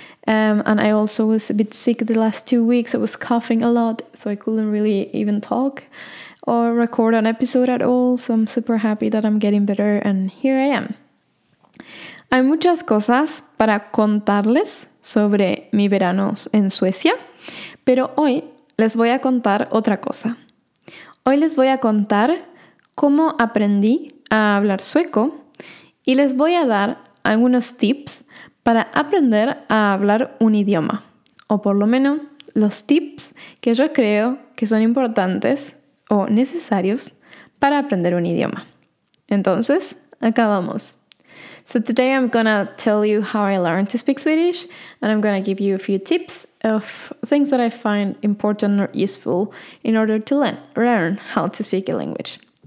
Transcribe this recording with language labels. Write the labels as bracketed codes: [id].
[en] And I also was a bit sick the last 2 weeks. I was coughing a lot, so I couldn't really even talk or record an episode at all. So I'm super happy that I'm getting better and here I am. [es] Hay muchas cosas para contarles sobre mi verano en Suecia, pero hoy les voy a contar otra cosa. Hoy les voy a contar cómo aprendí a hablar sueco y les voy a dar algunos tips para aprender a hablar un idioma, o por lo menos los tips que yo creo que son importantes o necesarios para aprender un idioma. Entonces, acá vamos. [en] So today I'm gonna tell you how I learned to speak Swedish, and I'm gonna give you a few tips of things that I find important or useful in order to learn how to speak a language.